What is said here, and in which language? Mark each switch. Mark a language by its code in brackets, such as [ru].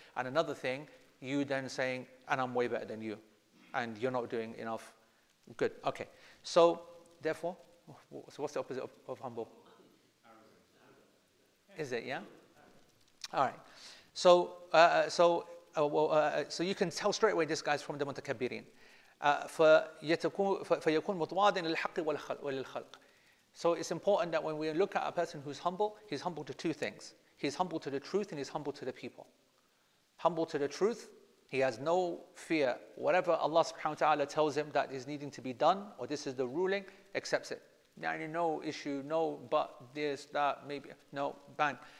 [en] And another thing, you then saying, and I'm way better than you, and you're not doing enough. Good, okay. So, therefore, so what's the opposite of humble? Is it, yeah? All right. So you can tell straight away this guy's from the Mutakabirin. [ar] فيكون متواضع للحق وللخلق. [en] So it's important that when we look at a person who's humble, he's humble to two things. He's humble to the truth and he's humble to the people. Humble to the truth, he has no fear. Whatever Allah subhanahu wa ta'ala tells him that is needing to be done, or this is the ruling, accepts it. No issue, no but, this, that, maybe, no, bang.